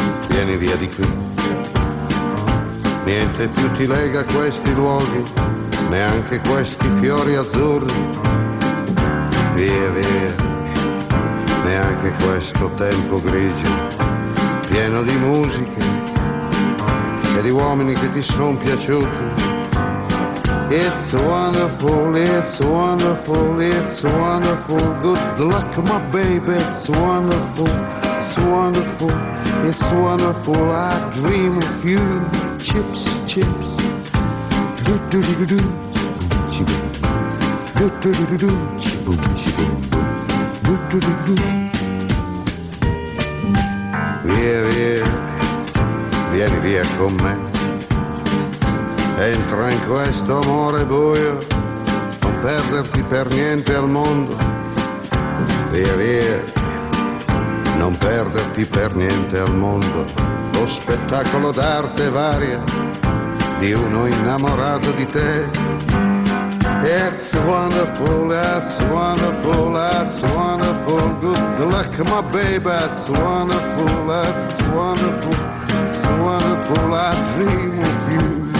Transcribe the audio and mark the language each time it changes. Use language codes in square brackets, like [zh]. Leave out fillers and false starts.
[it] Vieni via di qui, niente più ti lega questi luoghi, neanche questi fiori azzurri, via via, neanche questo tempo grigio, pieno di musiche e di uomini che ti son piaciuti. [en] It's wonderful, it's wonderful, it's wonderful, good luck my baby, it's wonderful. It's wonderful, it's wonderful, I dream of you. Chips, chips, do-do-do-do-do, chi-boom, do-do-do-do-do, chi-boom, chi-boom, do-do-do-do-do. [it] Via, via, vieni via con me, entra in questo amore buio, non perderti per niente al mondo. Via, via, non perderti per niente al mondo, lo spettacolo d'arte varia di uno innamorato di te. [en] It's wonderful, that's wonderful, that's wonderful, good luck my baby, that's wonderful, that's wonderful, it's wonderful, I dream of you.